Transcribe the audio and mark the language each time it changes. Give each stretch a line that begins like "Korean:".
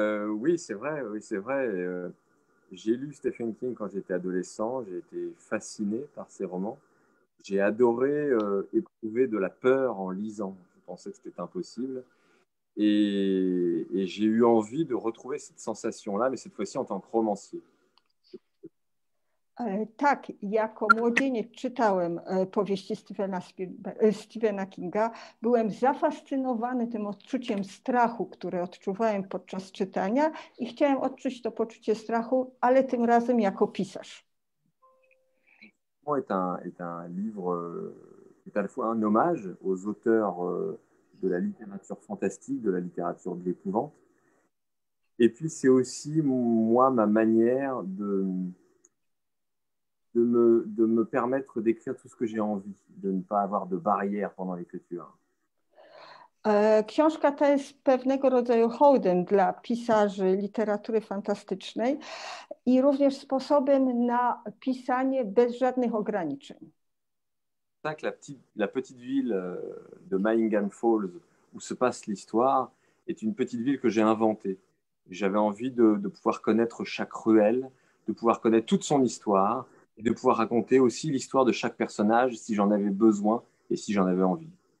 French: Oui, c'est vrai, oui, c'est vrai. J'ai lu Stephen King quand j'étais adolescent, j'ai été fasciné par ses romans. J'ai adoré éprouver de la peur en lisant, je pensais que c'était impossible. Et j'ai eu envie de retrouver cette sensation-là, mais cette fois-ci en tant que romancier.
Polish: Tak, jako młodzieniec czytałem powieści Stephena Kinga. Byłem zafascynowany tym odczuciem strachu, które odczuwałem podczas czytania i chciałem odczuć to poczucie strachu, ale tym razem jako pisarz.
French: Jest un livre, jest à la fois un hommage aux auteurs de la littérature fantastique, de la littérature de l'épouvante. Et puis, c'est aussi, moi, ma manière de me permettre d'écrire tout ce que j'ai envie, de ne pas avoir de barrière pendant l'écriture.
Polish: Książka ta jest pewnego rodzaju hołdem dla pisarzy literatury fantastycznej i również sposobem na pisanie bez żadnych ograniczeń.
French: Que la petite ville de Mahingan Falls où se passe l'histoire est une petite ville que j'ai inventée. J'avais envie de pouvoir connaître chaque ruelle, de pouvoir connaître toute son histoire et de pouvoir raconter aussi l'histoire de chaque personnage si j'en avais besoin et si j'en avais envie.